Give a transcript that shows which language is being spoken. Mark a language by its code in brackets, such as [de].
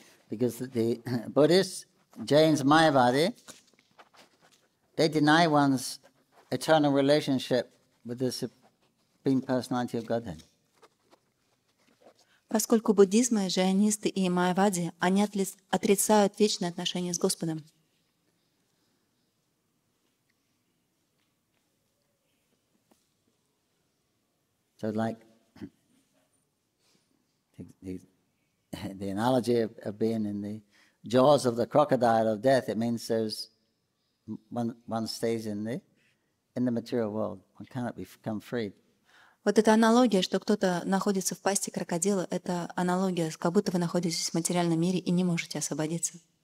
[en] Because the Buddhist, Jains, Mayavadi, they deny one's eternal relationship with the Supreme Personality of Godhead. [ru] Поскольку буддисты, джайнисты и майявады, они отрицают вечное отношение с Господом. [en] So like the analogy of being in the jaws of the crocodile of death, it means there's one stays in the material world. One cannot become free. [ru] Вот эта аналогия, что кто-то находится в пасти крокодила, это аналогия, как будто вы находитесь в материальном мире и не можете освободиться.